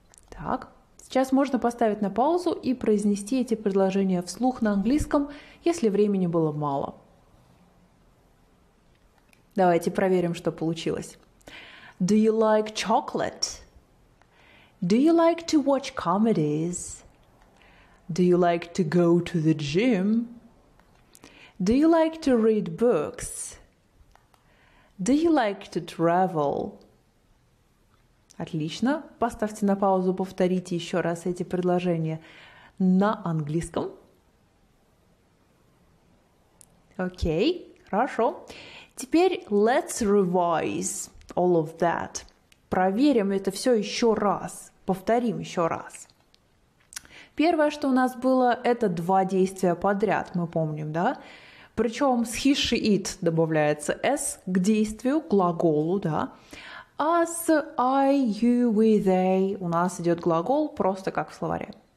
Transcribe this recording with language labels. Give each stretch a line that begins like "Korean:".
Russian: Так, сейчас можно поставить на паузу и произнести эти предложения вслух на английском, если времени было мало. Давайте проверим, что получилось.
English: Do you like chocolate? Do you like to watch comedies? Do you like to go to the gym? Do you like to read books? Do you like to travel?
Russian: Отлично. Поставьте на паузу, повторите еще раз эти предложения на английском. Окей, хорошо. Теперь
English: let's revise all of that.
Russian: Проверим это все еще раз. Повторим еще раз. Первое, что у нас было, это два действия подряд, мы помним, да? Причем с he, she, it добавляется s к действию, к глаголу, да? А с I, you, we, they у нас идет глагол просто как в словаре.